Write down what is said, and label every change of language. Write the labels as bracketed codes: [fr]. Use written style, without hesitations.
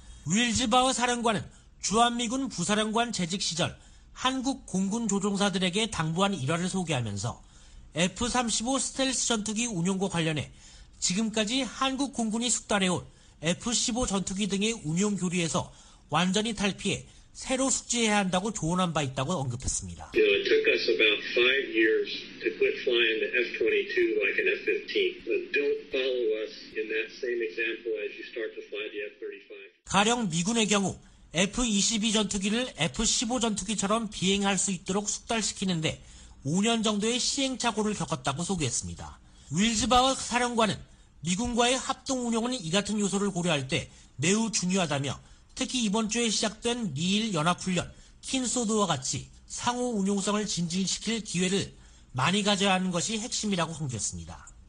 [ko] 윌즈바흐 사령관은 주한미군 부사령관 재직 시절 한국 공군 조종사들에게 당부한 일화를 소개하면서 F-35 스텔스 전투기 운용과 관련해 지금까지 한국 공군이 숙달해온 F-15 전투기 등의 운용 교류에서 완전히 탈피해 새로 숙지해야 한다고 조언한 바 있다고 언급했습니다. [en] You know, it took us about 5 years to quit flying the F-22 like an F-15. But don't follow us in that same example as you start to fly the F-35. [ko] 가령 미군의 경우 F-22 전투기를 F-15 전투기처럼 비행할 수 있도록 숙달시키는데 5년 정도의 시행착오를 겪었다고 소개했습니다. 윌즈바흐 사령관은 미군과의 합동 운용은 이 같은 요소를 고려할 때 매우 중요하다며 특히 이번 주에 시작된 미일 연합훈련 킨소드와 같이 상호 운용성을 증진시킬 기회를 많이 가져야 하는 것이 핵심이라고 강조했습니다.